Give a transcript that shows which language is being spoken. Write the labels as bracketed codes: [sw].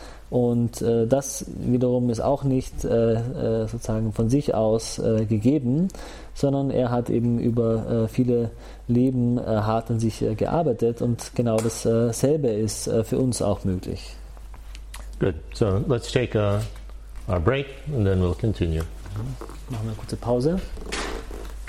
[de] Und das wiederum ist auch nicht sozusagen von sich aus gegeben, sondern er hat eben über viele Leben hart an sich gearbeitet, und genau dasselbe ist für uns auch möglich. [en] Good. So let's take our break and then we'll continue. [de] Machen wir eine kurze Pause.